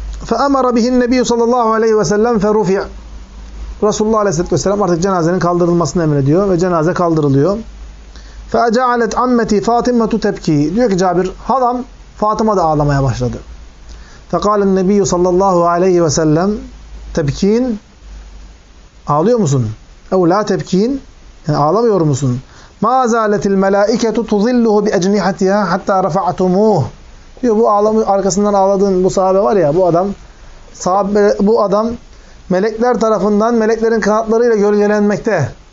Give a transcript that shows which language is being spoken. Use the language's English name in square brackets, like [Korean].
[Arabic] فَأَمَرَ بِهِ النَّبِيُّ صَلَى اللّٰهُ عَلَيْهِ وَسَلَّمْ فَرُفِعْ [Turkish] Resulullah Aleyhisselatü Vesselam artık cenazenin kaldırılmasını emrediyor ve cenaze kaldırılıyor. [Arabic] فَأَجَعَلَتْ عَمَّتِي فَاطِمَّةُ تَبْكِي [Turkish] Diyor ki Cabir, halam Fatıma da ağlamaya başladı. [Arabic] فَقَالَ النَّبِيُّ صَلَى اللّٰهُ عَلَيْهِ وَسَلَّمْ Tebkin, [Turkish] ağlıyor musun? [Arabic] اَوْ لَا تَبْكِين [Turkish] Yani ağlamıyor musun? [Arabic] مَا زَالَتِ الْمَلَائِكَةُ تُظِلُّهُ بِأَجْنِحَتِهَا حَتَّى رَفَعَتُمُوهُ [Turkish] Diyor, bu ağlamıyor, arkasından ağladığın bu sahabe var ya, bu adam sahabe, bu adam melekler tarafından meleklerin kanatlarıyla gölgelenmekte.